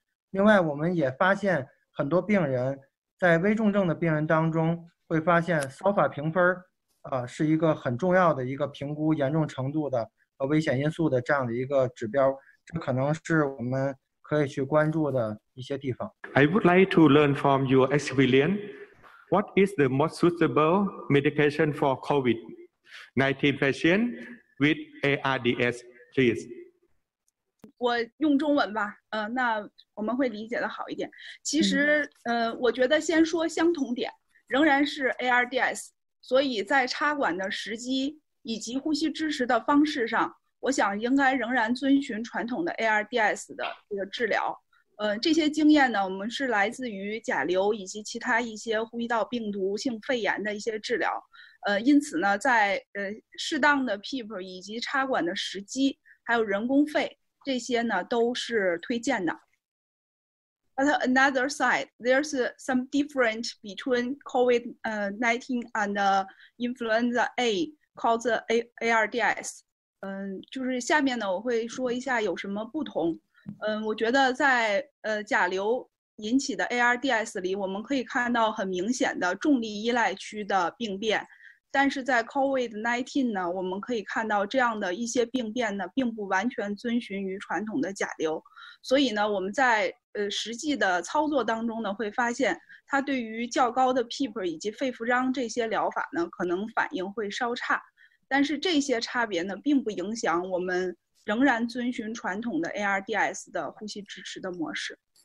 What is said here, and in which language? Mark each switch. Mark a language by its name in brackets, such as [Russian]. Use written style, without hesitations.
[Chinese] 另外我们也发现很多病人在危重症的病人当中会发现骚法评分是一个很重要的一个评估严重程度的和危险因素的这样的一个指标，这可能是我们可以去关注的一些地方。 [English] I would like to learn from your experience, what is the most suitable medication for COVID-19 patient with ARDS, please? [Chinese] 我用中文吧，那我们会理解的好一点。其实我觉得先说相同点，仍然是 ARDS， 所以在插管的时机以及呼吸支持的方式上，我想应该仍然遵循传统的 ARDS 的这个治疗。这些经验呢，我们是来自于甲流以及其他一些呼吸道病毒性肺炎的一些治疗。因此呢，在适当的 PEEP 以及插管的时机，还有人工肺，这些呢都是推荐的。 [English] But another side, there's some difference between COVID-19 and influenza A called ARDS. [Chinese] 就是下面呢我会说一下有什么不同。我觉得在甲流引起的 ARDS 里，我们可以看到很明显的重力依赖区的病变，但是在 COVID-19 呢，我们可以看到这样的一些病变呢，并不完全遵循于传统的甲流，所以呢，我们在实际的操作当中呢，会发现它对于较高的 PEEP 以及肺复张这些疗法呢，可能反应会稍差，但是这些差别呢，并不影响我们仍然遵循传统的 ARDS 的呼吸支持的模式。